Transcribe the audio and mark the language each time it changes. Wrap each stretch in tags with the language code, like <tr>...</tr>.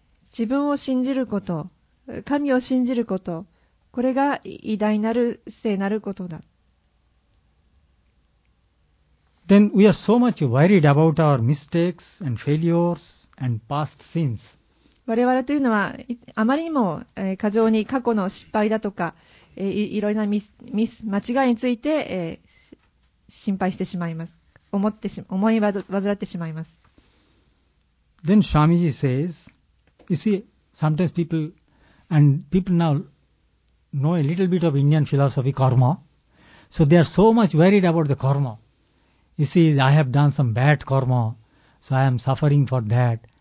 <ja>自分を信じること、神を信じること、これが偉大なる聖なることだ。</ja> <en>Then we are so much worried about our mistakes and failures and past sins.</en> <ja>我々というのは、あまりにも過剰に過去の失敗だとか、いろいろなミス、間違いについて、心配してしまいます。思い煩ってしまいます。</ja> <en>Then Swamiji says, you see, sometimes people now know a little bit of Indian philosophy, karma. So they are so much worried about the karma. You see, I have done some bad karma, so I am suffering for that.</en>